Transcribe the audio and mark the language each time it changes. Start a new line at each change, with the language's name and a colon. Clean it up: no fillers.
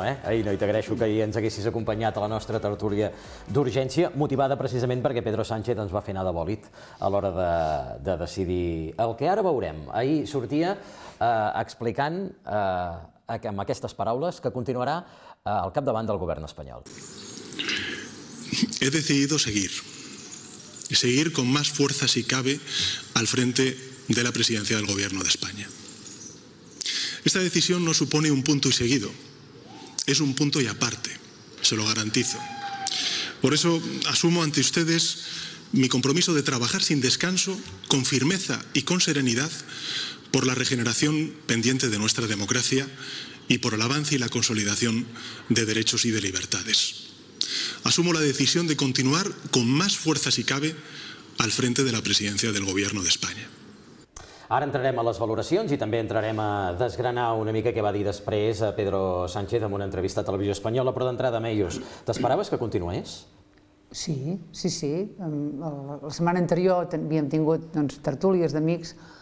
Catalan: I t'agraeixo que ahir ens haguessis acompanyat a la nostra tertúlia d'urgència, motivada precisament perquè Pedro Sánchez ens va fer anar de bòlit a l'hora de decidir el que ara veurem. Ahir sortia explicant amb aquestes paraules que continuarà al capdavant del govern espanyol.
Spanish: He decidido seguir, y seguir con más fuerza si cabe al frente de la presidencia del Gobierno de España. Esta decisión no supone un punto y seguido, es un punto y aparte, se lo garantizo. Por eso asumo ante ustedes mi compromiso de trabajar sin descanso, con firmeza y con serenidad, por la regeneración pendiente de nuestra democracia y por el avance y la consolidación de derechos y de libertades. Asumo la decisión de continuar con más fuerza si cabe al frente de la presidencia del Gobierno de España.
Catalan: Ara entrarem a les valoracions i també entrarem a desgranar una mica què va dir després a Pedro Sánchez en una entrevista a Televisió Espanyola, però d'entrada, Meius, t'esperaves que continués? Sí. La setmana anterior havíem tingut tertúlies d'amics.